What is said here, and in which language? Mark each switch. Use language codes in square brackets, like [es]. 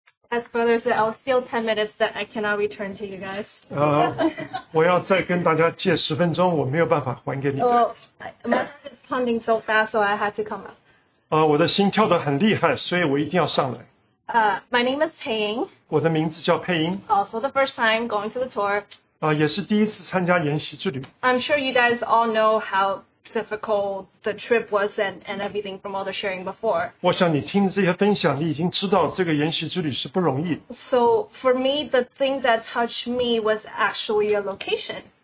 [en] As Brother said, I'll steal 10 minutes that I cannot return to you guys. [zh] 我要再跟大家借10分钟, 我没有办法还给你们。 [en] My heart is pounding so fast, so I had to come up. [zh] 我的心跳得很厉害, 所以我一定要上来。 [en] My name is Paying. [zh] 我的名字叫佩英。 [en] Also the first time going to the tour. [zh] 也是第一次参加研习之旅。 [en] I'm sure you guys all know how difficult the trip was and everything from all the sharing before. [zh] 我想你听这些分享, 你已经知道这个研习之旅是不容易。 [en] So for me, the thing that touched me was actually a location.